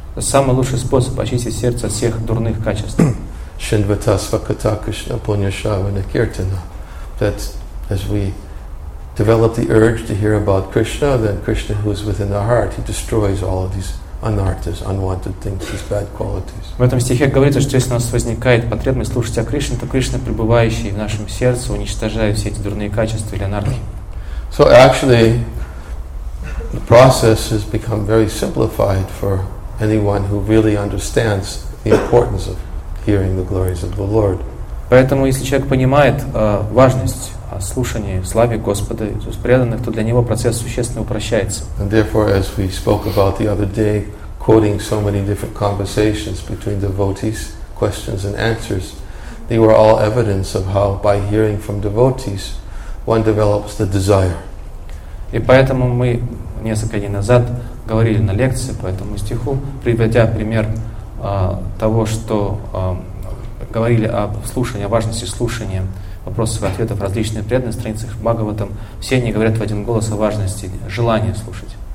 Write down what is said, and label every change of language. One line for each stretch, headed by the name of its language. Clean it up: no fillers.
Russian: Самый лучший способ очистить сердце от всех дурных качеств.
Sanskrit: Шинватасвакта Кришна Пуньяшравана Киртана.
English: That as we develop the urge to hear about Krishna, then Krishna, who is within the heart, he destroys all of these anarthas, unwanted things, these bad qualities.
Russian: В этом стихе говорится, что если у нас возникает потребность слушать о Кришне, то Кришна, пребывающий в нашем сердце, уничтожает все эти дурные качества или анархи.
English: So actually, the process has become very simplified for anyone who really understands the importance of hearing the glories of the Lord.
Russian: Поэтому, если человек понимает важность слушания славы Господа из уст преданных, то для него процесс существенно упрощается.
English: And therefore, as we spoke about the other day, quoting so many different conversations between devotees, questions and answers, they were all evidence of how, by hearing from devotees, one develops the desire.
Russian: И поэтому мы несколько дней назад говорили на лекции по этому стиху, приводя пример того, что говорили об слушании, о важности слушания вопросов и ответов различных преданных страниц Бхагаватам, все они говорят в один голос о важности желания слушать.